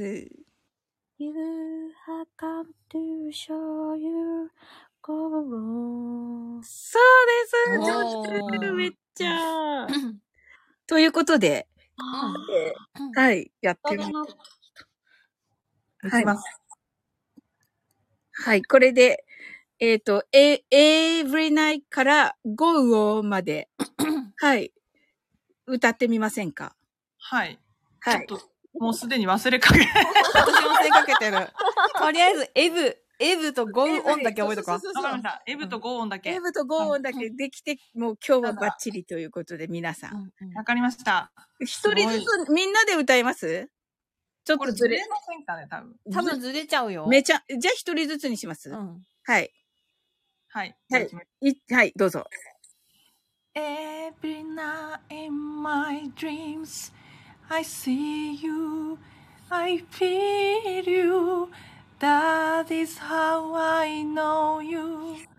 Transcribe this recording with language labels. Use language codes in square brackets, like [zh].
[en] You have come to show you go on. [ja] そうです、上手めっちゃ。ということで、はい、やってみます。はい、ます。はい、これで、 [en] every night [ja] から [en] go on [ja] まで、はい。歌ってみませんか。はい。はい。ちょっともうすでに忘れかけ。私忘れかけてる。とりあえずエブとゴーオンだけ覚えとこう。わかりました。エブとゴーオンだけ。エブとゴーオンだけできて、うん、もう今日はバッチリということで皆さん。わかりました。一人ずつみんなで歌います？ちょっとずれませんかね多分。多分ずれちゃうよ。めちゃじゃあ一人ずつにします。うん、はい。はい。はい。いはいどうぞ。 [en] Every night in my dreams, I see you, I feel you, that is how I know you.